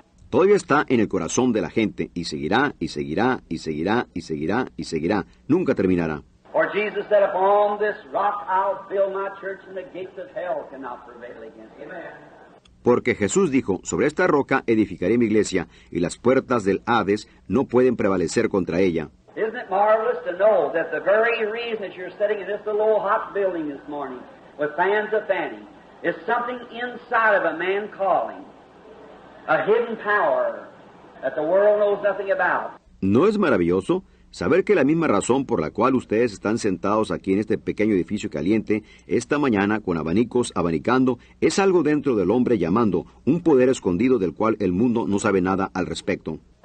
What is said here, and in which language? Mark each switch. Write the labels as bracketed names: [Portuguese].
[Spanish] Todavía está en el corazón de la gente y seguirá y seguirá y seguirá y seguirá y seguirá. Nunca terminará. [English] Or Jesus said, upon this rock I'll build my church and the gates of hell cannot prevail against it. [Spanish] Porque Jesús dijo, sobre esta roca edificaré mi iglesia, y las puertas del Hades no pueden prevalecer contra ella. [English] Isn't it marvelous to know that the very reason that you're sitting in this little hot building this morning with fans of fanning is something inside of a man calling, a hidden power that the world knows nothing about. [Spanish] ¿No es maravilloso? Saber que la misma razón por la cual ustedes están sentados aquí en este pequeño edificio caliente, esta mañana con abanicos abanicando, es algo dentro del hombre llamando, un poder escondido del cual el mundo no sabe nada al respecto.